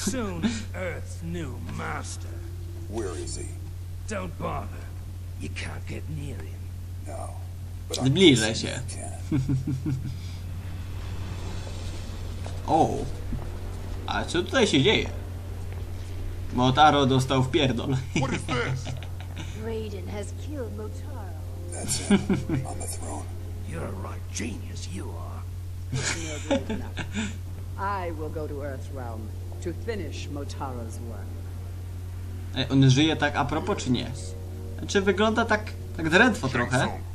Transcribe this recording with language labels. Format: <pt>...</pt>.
<en>Soon Earth's new master. Where is he? Don't bother. You can't get near him. No.</en> <pl>Zbliżę się. O. A co tutaj się dzieje? Motaro dostał w pierdol.</pl> <en>What is this? Raiden has killed Motaro. That's him, on the throne. You're a right genius, you are. I will go to Earth Realm to finish Motaro's work.</en> <pl>On żyje tak a propos, czy nie? Czy wygląda tak drętwo trochę?</pl>